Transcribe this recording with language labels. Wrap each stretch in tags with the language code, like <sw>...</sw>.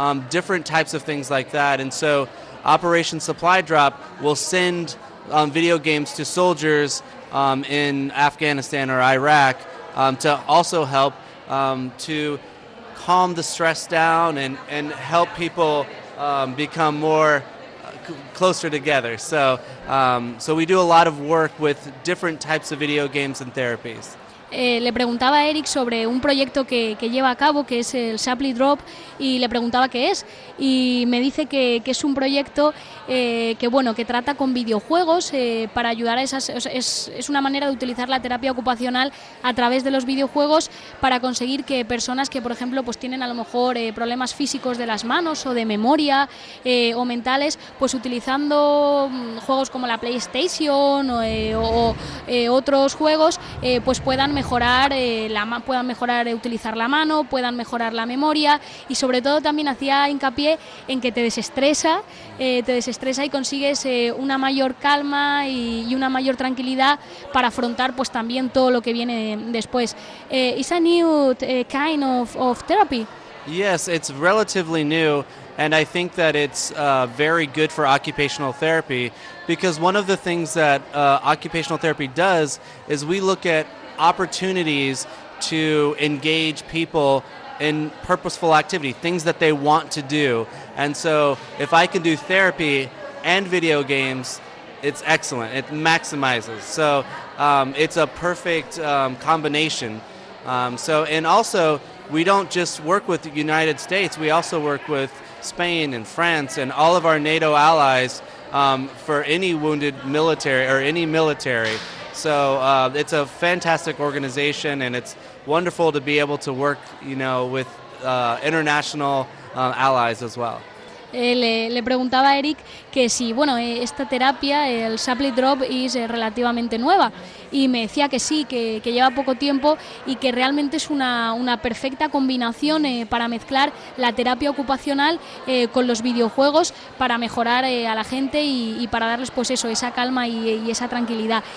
<en>different types of things like that. And so Operation Supply Drop will send video games to soldiers in Afghanistan or Iraq to also help to calm the stress down and help people become more closer together. So we do a lot of work with different types of video games and therapies.</en> <es>Le preguntaba a Eric sobre un proyecto que lleva a cabo, que es el Supply Drop, y le preguntaba qué es, y me dice que es un proyecto que trata con videojuegos para ayudar a esas... Es una manera de utilizar la terapia ocupacional a través de los videojuegos para conseguir que personas que, por ejemplo, pues tienen a lo mejor problemas físicos de las manos o de memoria o mentales, pues utilizando juegos como la PlayStation o otros juegos, pues puedan mejorar utilizar la mano, puedan mejorar la memoria, y sobre todo también hacía hincapié en que te desestresa y consigues una mayor calma y una mayor tranquilidad para afrontar pues también todo lo que viene después.</es> <en>It's a new kind of therapy. Yes, it's relatively new, and I think that it's very good for occupational therapy, because one of the things that occupational therapy does is we look at opportunities to engage people in purposeful activity, things that they want to do. And so if I can do therapy and video games, it's excellent. It maximizes. So it's a perfect combination. So we don't just work with the United States, we also work with Spain and France and all of our NATO allies for any wounded military or any military. So it's a fantastic organization, and it's wonderful to be able to work, you know, with international allies as well.</en> <es>Le preguntaba a Eric que si, bueno, esta terapia, el Supply Drop, es relativamente nueva, y me decía que sí, que lleva poco tiempo y que realmente es una perfecta combinación para mezclar la terapia ocupacional con los videojuegos para mejorar a la gente y para darles pues eso, esa calma y esa tranquilidad.</es>